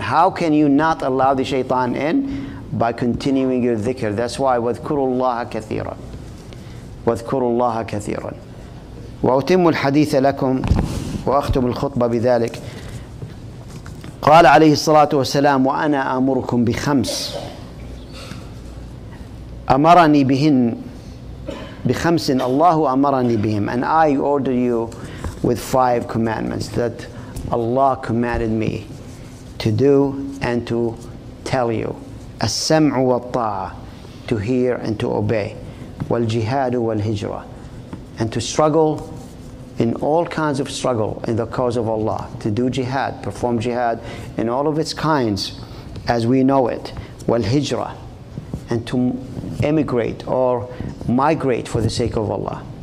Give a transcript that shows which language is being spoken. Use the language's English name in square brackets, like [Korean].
[English] How can you not allow the shaitan in? By continuing your dhikr. That's why, [Arabic] وَذْكُرُوا اللَّهَ كَثِيرًا وَذْكُرُوا اللَّهَ كَثِيرًا وَأُتِمُّ الْحَدِيثَ لَكُمْ وَأَخْتُمُ الْخُطْبَ بِذَلِكَ قَالَ عَلَيْهِ الصَّلَاةُ وَالسَّلَامُ وَأَنَا أَمُرُكُمْ بِخَمْسٍ أَمَرَنِي بِهِنْ بِخَمْسٍ اللَّهُ أَمَرَنِي بِهِمْ [English] And I order you with five commandments that Allah commanded me to do and to tell you. [Arabic] السَّمْعُ وَالطَّاعَةُ [English] To hear and to obey. [Arabic] وَالْجِهَادُ وَالْهِجْرَةُ [English] And to struggle in all kinds of struggle in the cause of Allah. To do jihad, perform jihad in all of its kinds as we know it. وَالْهِجْرَةُ And to emigrate or migrate for the sake of Allah.